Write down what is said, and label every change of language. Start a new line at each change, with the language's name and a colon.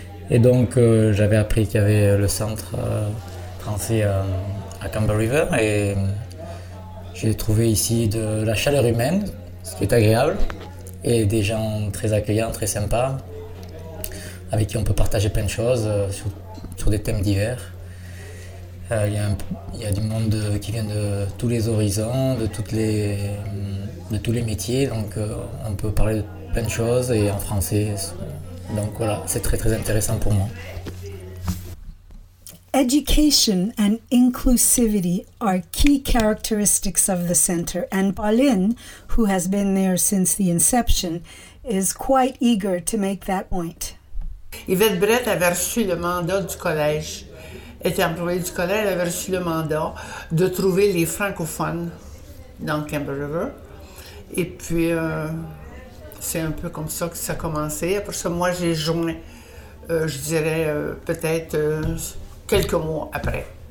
French: Et donc j'avais appris qu'il y avait le centre français à Campbell River et j'ai trouvé ici de la chaleur humaine, ce qui est agréable, et des gens très accueillants, très sympas, avec qui on peut partager plein de choses sur des thèmes divers. Il y a du monde qui vient de tous les horizons, de tous les métiers, donc on peut parler de plein de choses et en français. Donc voilà, c'est très très intéressant pour moi.
English: Education and inclusivity are key characteristics of the center, and Pauline, who has been there since the inception, is quite eager to make that point.
French: Yvette Brett avait reçu le mandat du collège. Était employée du collège, elle avait reçu le mandat de trouver les francophones dans Campbell River. Et puis, c'est un peu comme ça que ça a commencé. Après ça, moi, j'ai joint, je dirais, peut-être quelques mois après.